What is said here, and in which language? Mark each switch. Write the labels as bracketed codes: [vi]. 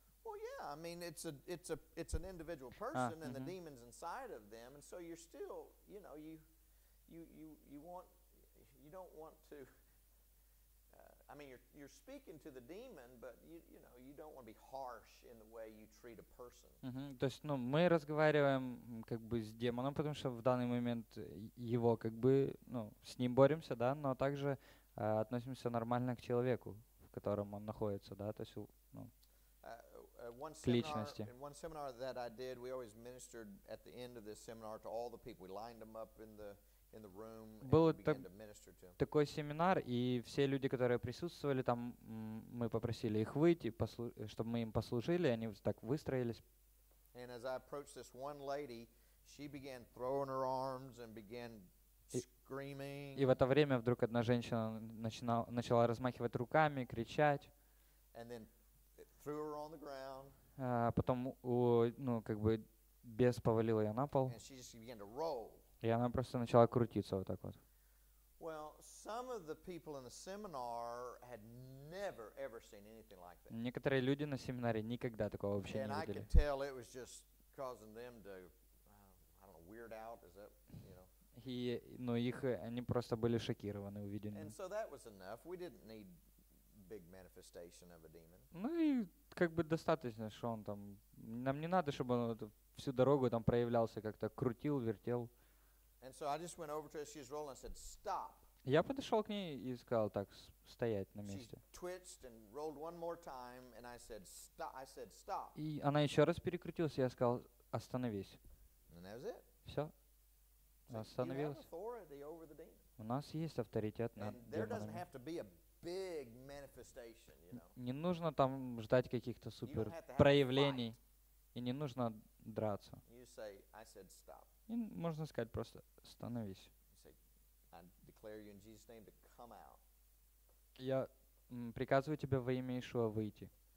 [en] Well, yeah, I mean it's an individual person and the demons inside of them, and so you're still, you know, you don't want to. I mean, you're speaking to the demon, but you know you don't want to be harsh in the way you treat a person. [ru] То есть, ну, мы разговариваем как бы с демоном, потому что в данный момент его как бы, ну, с ним боремся, да, но также относимся нормально к человеку, в котором он находится, да, то есть, ну, к личности. [en] In one seminar that I did, we always ministered at the end of this seminar to all the people. We lined them up in the room. [ru] Был такой семинар, и все люди, которые присутствовали там, мы попросили их выйти, чтобы мы им послужили, они так выстроились. [en] And as I approached this one lady, she began throwing her arms and began screaming. [ru] И в это время вдруг одна женщина начала размахивать руками, кричать. [en] And then threw her on the ground. [ru] Потом, ну, как бы бес повалил ее на пол. [en] And she just began to roll. [ru] И она просто начала крутиться вот так вот. [en] Well, some of the people in the seminar had never ever seen anything like that. [ru] Некоторые люди на семинаре никогда такого вообще не видели. [en] And I could tell it was just causing them to, I don't know, weird out, is that, you know? [ru] И, ну, их, они просто были шокированы увиденным. [en] And so that was enough. We didn't need big manifestation of a demon. [ru] Ну и как бы достаточно, что он там. Нам не надо, чтобы он всю дорогу там проявлялся, как-то крутил, вертел. [en] And so I just went over to her, she's rolling, and said, "Stop." [ru] Я подошел к ней и сказал так: стоять на месте. [en] She twitched and rolled one more time, and I said, "Stop." I said, "Stop." [ru] И она еще раз перекрутилась, и я сказал: остановись. [en] And that was it. [ru] Все. Остановилась. У нас есть авторитет над [en] демонами. And there doesn't have to be a big manifestation, you know. [ru] Не нужно там ждать каких-то супер проявлений, и не нужно драться. [en] You say, "I said, stop." [ru] И можно сказать просто «становись». [en] Say, name, [ru] я приказываю тебе во имя Иешуа выйти.